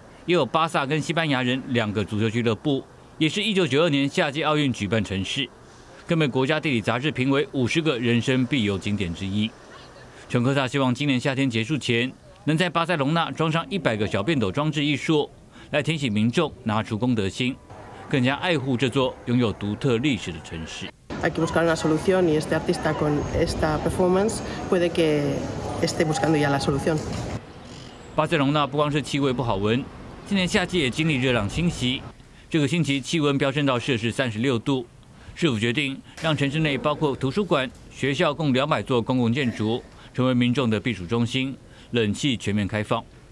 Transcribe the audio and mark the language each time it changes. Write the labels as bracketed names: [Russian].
[Chinese] 也有巴萨跟西班牙人两个足球俱乐部，也是1992年夏季奥运举办城市，更被国家地理杂志评为50个人生必游景点之一。琼科萨希望今年夏天结束前，能在巴塞隆纳装上100个小便斗装置艺术，来提醒民众拿出公德心，更加爱护这座拥有独特历史的城市。 [Spanish] Hay que buscar una solución y este artista con esta performance puede que esté buscando ya la solución。 [Chinese] 巴塞隆纳不光是气味不好闻。今年夏季也经历热浪侵袭，这个星期气温飙升到摄氏36度。市府决定让城市内包括图书馆、学校共200座公共建筑成为民众的避暑中心，冷气全面开放。